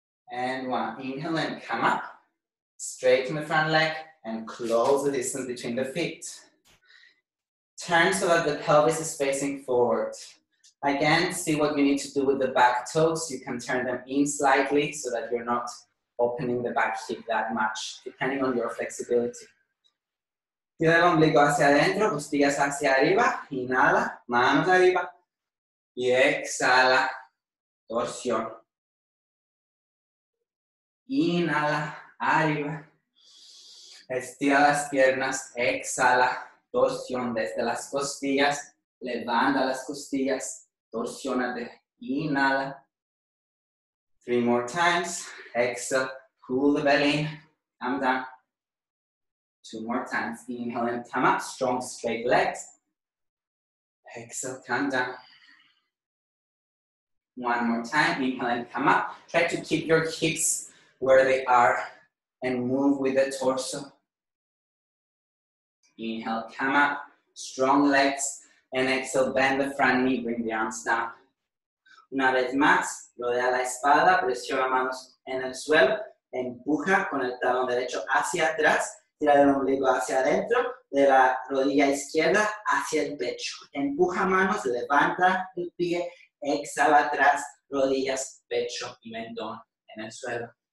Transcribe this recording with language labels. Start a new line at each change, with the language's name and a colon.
English: And one, inhale and come up. Straighten the front leg and close the distance between the feet. Turn so that the pelvis is facing forward. Again, see what you need to do with the back toes. You can turn them in slightly so that you're not opening the back hip that much, depending on your flexibility.
Spanish: Tira el ombligo hacia adentro, costillas hacia arriba, inhala, manos arriba, y exhala, torsión. Inhala, arriba, estira las piernas, exhala, torsión desde las costillas, levanta las costillas, torsiónate, inhala.
English: Three more times, exhale, pull the belly, come down. Two more times, inhale and come up, strong straight legs. Exhale, come down. One more time, inhale and come up. Try to keep your hips where they are and move with the torso. Inhale, come up, strong legs. And exhale, bend the front knee, bring the arms down.
Spanish: Una vez más, rodea la espalda, presiona manos en el suelo, empuja con el talón derecho hacia atrás. Tira el ombligo hacia adentro, de la rodilla izquierda hacia el pecho. Empuja manos, levanta el pie, exhala atrás, rodillas, pecho y mentón en el suelo.